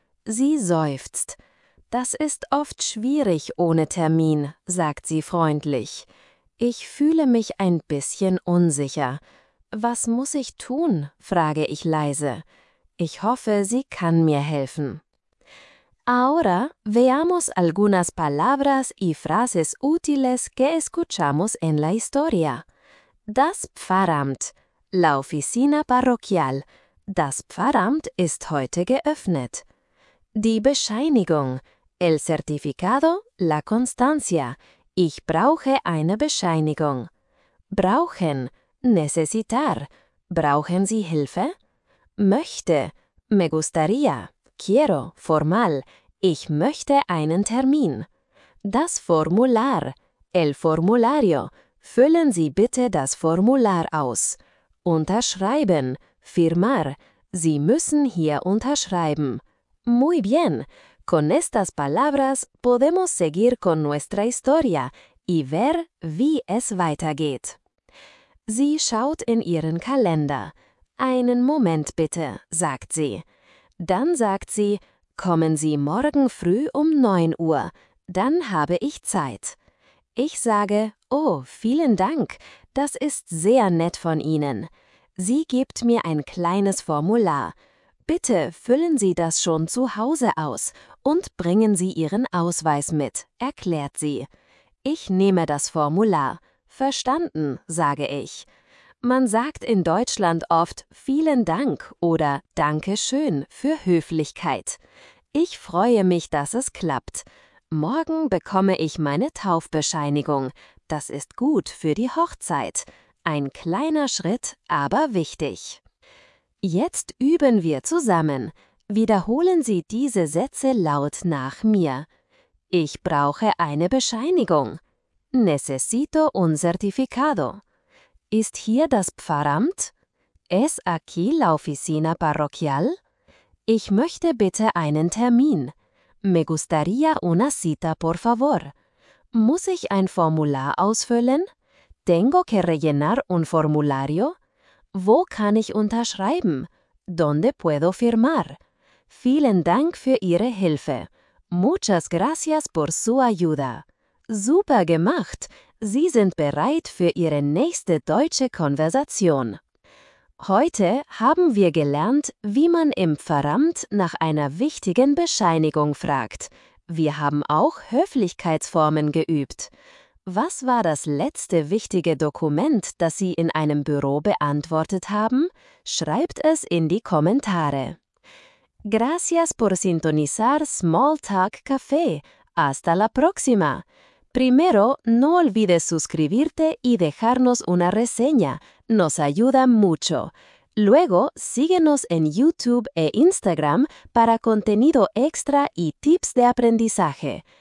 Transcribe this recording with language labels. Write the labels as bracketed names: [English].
[German] Sie seufzt. Das ist oft schwierig ohne Termin, sagt sie freundlich. Ich fühle mich ein bisschen unsicher. Was muss ich tun? Frage ich leise. Ich hoffe, sie kann mir helfen. [Spanish] Ahora veamos algunas palabras y frases útiles que escuchamos en la historia. [German] Das Pfarramt, [Spanish] la oficina parroquial. [German] Das Pfarramt ist heute geöffnet. Die Bescheinigung, [Spanish] el certificado, la constancia. [German] Ich brauche eine Bescheinigung. Brauchen, [Spanish] necesitar. [German] Brauchen Sie Hilfe? Möchte, [Spanish] me gustaría. Quiero, formal. [German] Ich möchte einen Termin. Das Formular, [Spanish] el formulario. [German] Füllen Sie bitte das Formular aus. Unterschreiben, [Spanish] firmar. [German] Sie müssen hier unterschreiben. [Spanish] Muy bien. Con estas palabras podemos seguir con nuestra historia y ver, [German] wie es weitergeht. Sie schaut in ihren Kalender. Einen Moment bitte, sagt sie. Dann sagt sie, kommen Sie morgen früh um 9 Uhr, dann habe ich Zeit. Ich sage, oh, vielen Dank, das ist sehr nett von Ihnen. Sie gibt mir ein kleines Formular. Bitte füllen Sie das schon zu Hause aus und bringen Sie Ihren Ausweis mit, erklärt sie. Ich nehme das Formular. Verstanden, sage ich. Man sagt in Deutschland oft vielen Dank oder danke schön für Höflichkeit. Ich freue mich, dass es klappt. Morgen bekomme ich meine Taufbescheinigung. Das ist gut für die Hochzeit. Ein kleiner Schritt, aber wichtig. Jetzt üben wir zusammen. Wiederholen Sie diese Sätze laut nach mir. Ich brauche eine Bescheinigung. [Spanish] Necesito un certificado. [German] Ist hier das Pfarramt? [Spanish] ¿Es aquí la oficina parroquial? [German] Ich möchte bitte einen Termin. [Spanish] Me gustaría una cita, por favor. [German] Muss ich ein Formular ausfüllen? [Spanish] ¿Tengo que rellenar un formulario? [German] Wo kann ich unterschreiben? [Spanish] ¿Dónde puedo firmar? [German] Vielen Dank für Ihre Hilfe. [Spanish] Muchas gracias por su ayuda. [German] Super gemacht! Sie sind bereit für Ihre nächste deutsche Konversation. Heute haben wir gelernt, wie man im Pfarramt nach einer wichtigen Bescheinigung fragt. Wir haben auch Höflichkeitsformen geübt. Was war das letzte wichtige Dokument, das Sie in einem Büro beantwortet haben? Schreibt es in die Kommentare. [Spanish] Gracias por sintonizar Small Talk Café. Hasta la próxima. Primero, no olvides suscribirte y dejarnos una reseña. Nos ayuda mucho. Luego, síguenos en YouTube e Instagram para contenido extra y tips de aprendizaje.